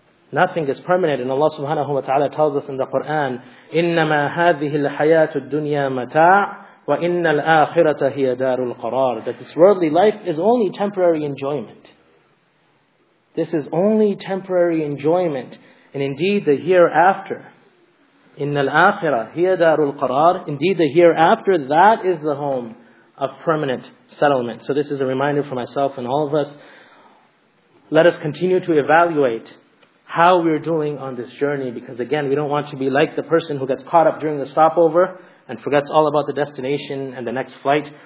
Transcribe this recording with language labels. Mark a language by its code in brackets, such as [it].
[en] Nothing is permanent, and Allah subhanahu wa ta'ala tells us in the Quran, [ar] إِنَّمَا هَذِهِ الْحَيَاةُ الدُّنْيَا مَتَاعُ وَإِنَّ الْآخِرَةَ هِيَ دَارُ الْقَرَارِ. [en] That this worldly life is only temporary enjoyment. This is only temporary enjoyment. And indeed the hereafter, [ar] إِنَّ الْآخِرَةَ هِيَ دَارُ الْقَرَارِ. [en] Indeed the hereafter, that is the home of permanent settlement. So this is a reminder for myself and all of us. Let us continue to evaluate how we're doing on this journey, because again, we don't want to be like the person who gets caught up during the stopover and forgets all about the destination and the next flight.